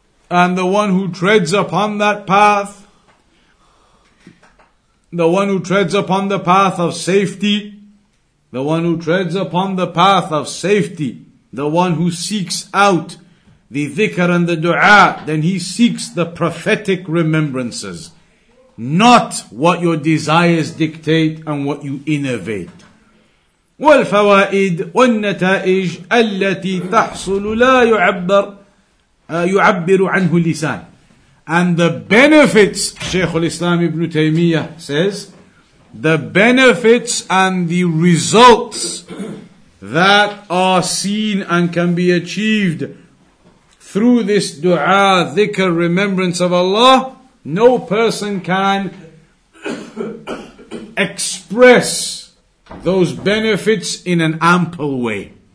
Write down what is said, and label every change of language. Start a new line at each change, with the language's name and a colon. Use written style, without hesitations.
English: And the one who treads upon that path, the one who treads upon the path of safety, the one who treads upon the path of safety, the one who seeks out the dhikr and the dua, then he seeks the prophetic remembrances, not what your desires dictate and what you innovate.
Arabic: والفوائد والنتائج التي تحصل لا يعبر يعبر عنه لسان.
English: And the benefits, Shaykh al-Islam Ibn Taymiyyah says, the benefits and the results that are seen and can be achieved through this dua, dhikr, remembrance of Allah, no person can express those benefits in an ample way.